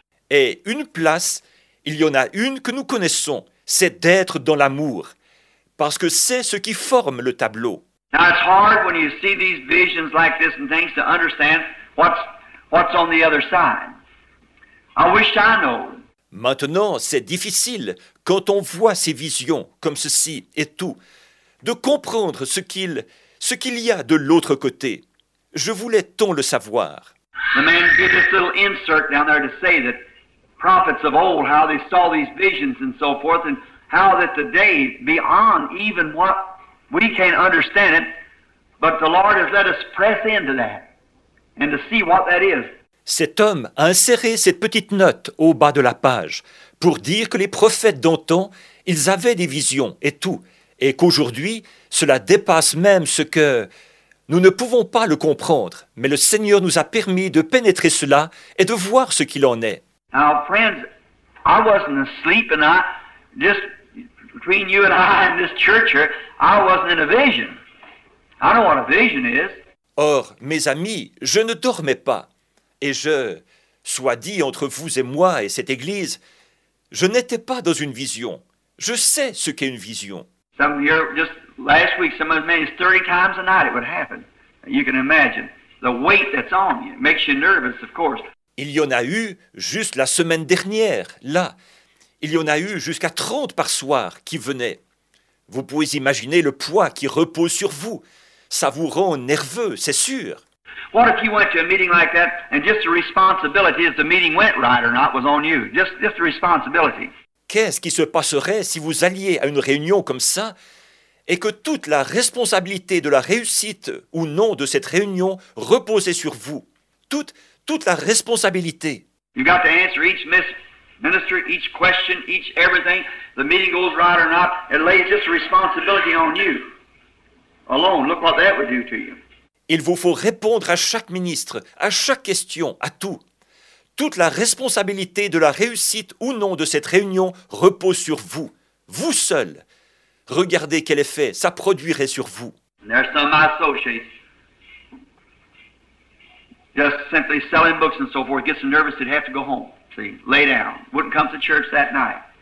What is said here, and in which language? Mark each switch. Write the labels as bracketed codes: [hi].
[fr] Et une place, il y en a une que nous connaissons, c'est d'être dans l'amour, parce que c'est ce qui forme le tableau. [en] Now, it's hard when you see these visions like this and things to understand what's on the other side. I wish I knew. [fr] Maintenant, c'est difficile, quand on voit ces visions comme ceci et tout, de comprendre ce qu'il y a de l'autre côté. Je voulais tant le savoir. [en] The man did this little insert down there to say that prophets of old, how they saw these visions and so forth, and how that the day beyond even what we can't understand it, but the Lord has let us press into that and to see what that is. [fr] Cet homme a inséré cette petite note au bas de la page pour dire que les prophètes d'antan, ils avaient des visions et tout, et qu'aujourd'hui, cela dépasse même ce que... Nous ne pouvons pas le comprendre, mais le Seigneur nous a permis de pénétrer cela et de voir ce qu'il en est. [en] Now, friends, I wasn't asleep and I, just between you and I and this church here, I wasn't in a vision. I don't know what a vision is. [fr] Or, mes amis, je ne dormais pas. Et je, soit dit entre vous et moi et cette église, je n'étais pas dans une vision. Je sais ce qu'est une vision. [en] Some here, just last week, some as many as 30 times a night it would happen. You can imagine. The weight that's on you makes you nervous, of course. [fr] Il y en a eu juste la semaine dernière, là. Il y en a eu jusqu'à 30 par soir qui venaient. Vous pouvez imaginer le poids qui repose sur vous. Ça vous rend nerveux, c'est sûr. [en] What if you went to a meeting like that and just the responsibility if the meeting went right or not was on you? Just the responsibility. [fr] Qu'est-ce qui se passerait si vous alliez à une réunion comme ça et que toute la responsabilité de la réussite ou non de cette réunion reposait sur vous? Toute la responsabilité. [en] You got to answer each minister, each question, each everything. The meeting goes right or not, it lays just the responsibility on you. Alone, look what that would do to you. [fr] Il vous faut répondre à chaque ministre, à chaque question, à tout. Toute la responsabilité de la réussite ou non de cette réunion repose sur vous, vous seul. Regardez quel effet ça produirait sur vous. [en] And there's some of my associates just simply selling books and so forth, get so nervous they'd have to go home, see, lay down, wouldn't come to church that night.